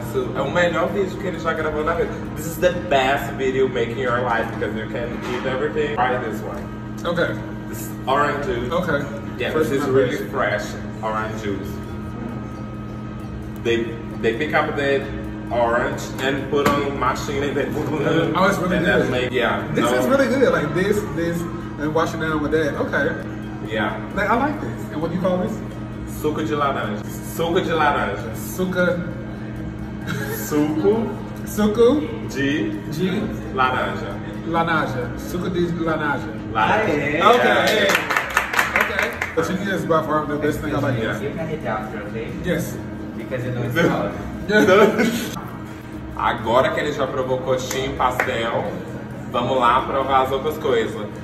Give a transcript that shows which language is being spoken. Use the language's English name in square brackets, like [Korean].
[Portuguese] Isso é o melhor vídeo que ele já gravou na vida. [English] This is the best video making your life, because you can eat everything. Try this one. Okay. This orange juice. Okay. Yeah, first this is really place. Fresh orange juice. They pick up the... orange and put on machine and then oh, it's really and good. Make, yeah, this no. is really good. Like this, and wash it down with that. Okay. Yeah. Like, I like this. And what do you call this? [Portuguese] Suco de laranja. Suco de laranja. Suco. Suco. Suco. De. Laranja. Laranja. Suco de laranja. Laranja. [English] Okay. Okay. But you is by far the best thing I like. You can hit okay? Yes. Because you know it's hard. [Portuguese] Agora que ele já provou coxinha e pastel, vamos lá provar as outras coisas.